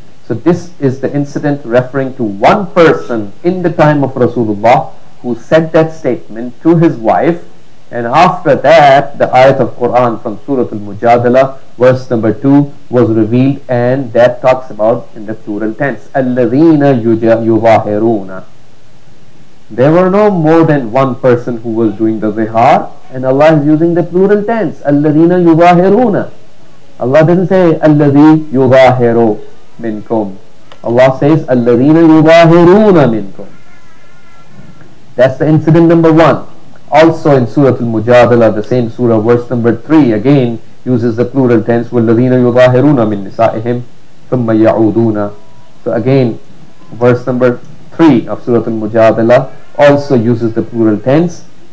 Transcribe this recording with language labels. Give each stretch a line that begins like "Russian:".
English: So this is the incident referring to one person in the time of Rasulullah who said that statement to his wife, and after that the ayat of Quran from Surah Al-Mujadala, verse number 2, was revealed, and that talks about in the plural tense,
Arabic: الَّذِينَ يُظَاهِرُونَ.
English: There were no more than one person who was doing the zihar, and Allah is using the plural tense,
Arabic: الَّذِينَ يُظَاهِرُونَ.
English: Allah didn't say
Arabic: الَّذِي يُظَاهِرُ مِنْكُمْ.
English: Allah says
Arabic: الَّذِينَ يُظَاهِرُونَ مِنْكُمْ.
English: That's the incident number 1. Also in Surah Al-Mujadala, the same surah, verse number 3, again uses the plural tense,
Arabic: وَالَّذِينَ يُظَاهِرُونَ مِنْ نِسَائِهِمْ ثُمَّ يَعُودُونَ.
English: So again, verse number 3 of Surah Al-Mujadala also uses the plural tense.